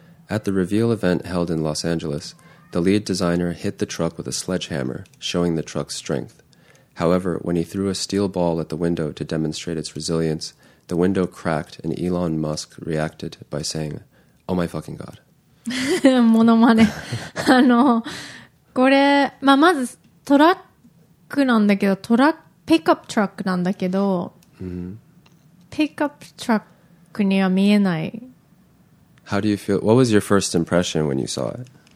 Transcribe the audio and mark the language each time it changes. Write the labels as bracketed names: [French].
[English] At the reveal event held in Los Angeles, the lead designer hit the truck with a sledgehammer, showing the truck's strength. However, when he threw a steel ball at the window to demonstrate its resilience, the window cracked and Elon Musk reacted by saying, "Oh my fucking God." [Japanese] モノマネあのこれ、まあ、まずトラックなんだけどトラックピックアップトラックなんだけど、ピックアップトラックには見えない。 [English] How do you feel? What was your first impression when you saw it?